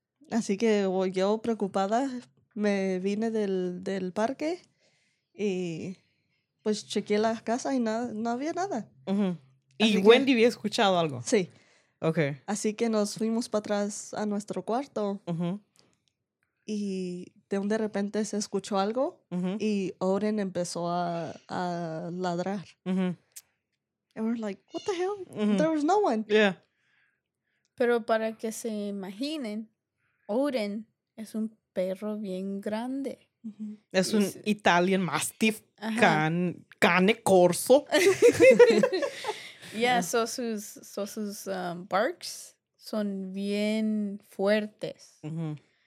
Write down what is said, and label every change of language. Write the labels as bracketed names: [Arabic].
[Spanish] Así que yo, preocupada, me vine del parque y pues chequeé la casa y no había nada. Uh-huh. ¿Y que, Wendy había escuchado algo? Sí. Ok. Así que nos fuimos para atrás a nuestro cuarto. Uh-huh. Y de repente se escuchó algo. Uh-huh. Y Oren empezó a ladrar. [English] Uh-huh. And we're like, what the hell? Uh-huh. There was no one. Yeah. [Spanish] Pero para que se imaginen, Oren es un perro bien grande. Uh-huh. Es un Italian Mastiff. Ajá. Cane corso. Yeah, uh-huh. so sus [English] barks [Spanish] son bien fuertes. Uh-huh.